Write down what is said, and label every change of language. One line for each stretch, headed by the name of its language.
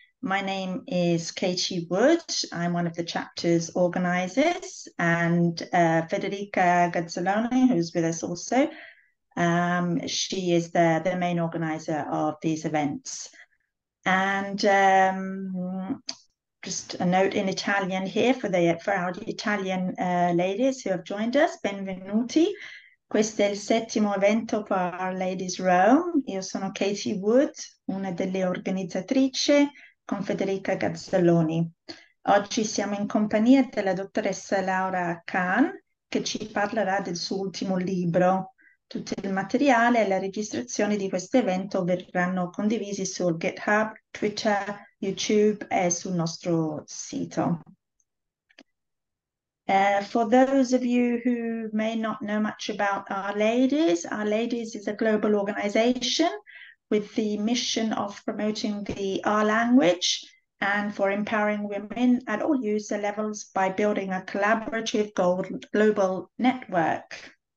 English: My name is Katie Wood. I'm one of the chapter's organizers, and Federica Gazzoloni, who's with us also, she is the main organizer of these events. And just a note in Italian here for our Italian ladies who have joined us.
Italian: Benvenuti. Questo è il settimo evento per Our Lady's Rome. Io sono Katie Wood, una delle organizzatrici, con Federica Gazzoloni. Oggi siamo in compagnia della dottoressa Laura Kahn, che ci parlerà del suo ultimo libro. Tutto il materiale e la registrazione di questo evento verranno condivisi su GitHub, Twitter, YouTube e sul nostro sito.
English: For those of you who may not know much about Our Ladies is a global organization with the mission of promoting the R language and for empowering women at all user levels by building a collaborative global network.